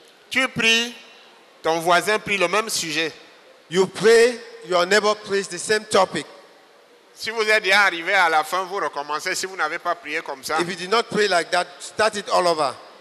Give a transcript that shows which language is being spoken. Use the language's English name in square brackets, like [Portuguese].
[French] Tu pries, ton voisin prie le même sujet. [English] You pray, your neighbor prays the same topic. [French] Si vous êtes déjà arrivé à la fin, vous recommencez. Si vous n'avez pas prié comme ça. [English] If you did not pray like that, start it all over.